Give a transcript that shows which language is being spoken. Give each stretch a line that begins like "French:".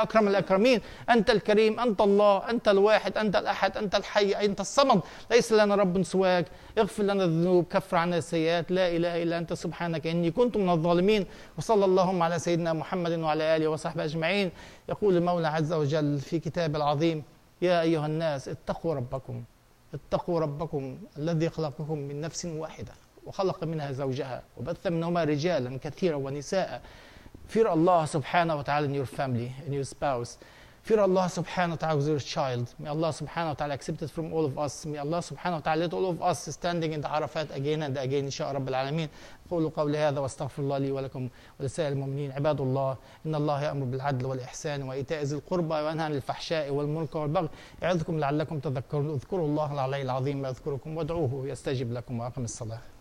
Arabic: أكرم الأكرمين، أنت الكريم، أنت الله، أنت الواحد، أنت الأحد، أنت الحي، أنت الصمد، ليس لنا رب سواك، اغفر لنا الذنوب، كفر عنا السيئات، لا إله إلا أنت سبحانك إني كنت من الظالمين، وصلى اللهم على سيدنا محمد وعلى آله وصحبه أجمعين. يقول المولى عز وجل في كتاب العظيم: يا أيها الناس اتقوا ربكم، اتقوا ربكم الذي خلقكم من نفس واحدة وخلق منها زوجها وبث منهما رجالا كثيرا ونساء.
English: Fear Allah subhanahu wa ta'ala in your family, in your spouse. Fear Allah subhanahu wa ta'ala with your child. May Allah subhanahu wa ta'ala accept it from all of us. May Allah subhanahu wa ta'ala let all of us standing in the Arafat again and again, insha'a rabbil alameen.
Arabic: قولوا قول هذا واستغفر الله لي ولكم ولسائر المؤمنين. عباد الله، إن الله يأمر بالعدل والإحسان وإيتاء ذي القربى وينهى عن الفحشاء والمنكر والبغي يعظكم لعلكم تذكرون. اذكروا الله العلي العظيم يذكركم وادعوه يستجب لكم وأقم الصلاة.